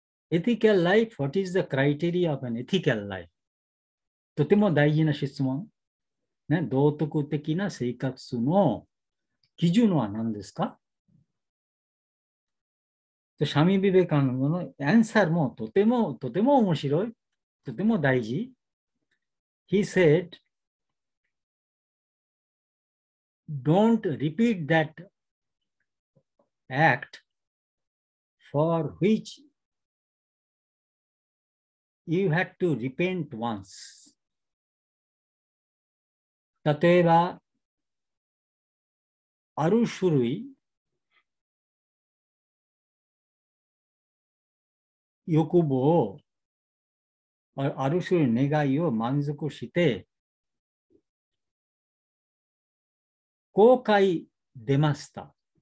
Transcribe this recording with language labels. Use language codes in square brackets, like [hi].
[en] エティカルライフ、what is the criteria of an ethical life? [ja] とても大事な質問。ね、道徳的な生活の基準は何ですか？シャミビベカンのアンサーもとてもとても面白い。とても大事。 [en] He said, don't repeat that act for which you had to repent once. [ja] 例えば、ある種類欲望をある種類願いを満足して後悔出ました。